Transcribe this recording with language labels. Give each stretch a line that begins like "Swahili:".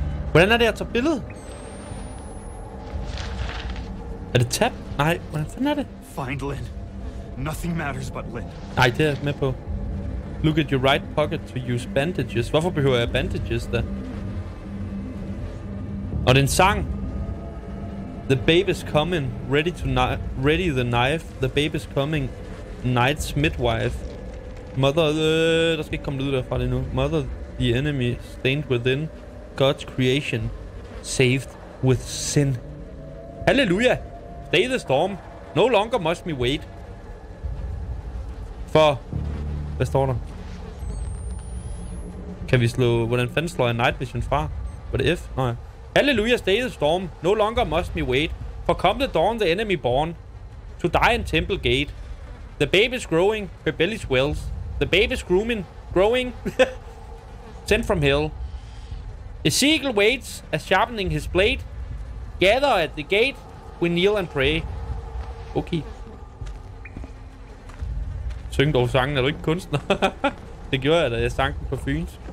Danish: Hvordan er det, at tage billede? Er det tab? Nej, hvordan fanden er det?
English: Find Lin. Nothing matters but Lin.
Danish: Nej, det er med på.
English: Look at your right pocket to use bandages.
Danish: Hvorfor behøver jeg bandages da? Og det er en sang.
English: The baby's coming. Ready the knife. The baby's coming. Night's midwife.
Danish: Mother, der skal ikke komme lyd derfra lige nu.
English: Mother, the enemy stained within. God's creation saved with sin. Halleluja! Stay the storm. No longer must me wait.
Danish: For... Hvad står der? Kan vi slå... Hvordan fanden slår jeg night vision fra? Var det F? Nej.
English: Halleluja! Stay the storm. No longer must me wait. For come the dawn, the enemy born. to die in Temple Gate. The babe is growing, her belly swells. The babe is grooming, growing, sent from hell. Ezekiel waits, as sharpening his blade. Gather at the gate, we kneel and pray. Okay.
Danish: Syng dog sangen, er du ikke kunstner? Det gjorde jeg da, jeg sang den på fynsk.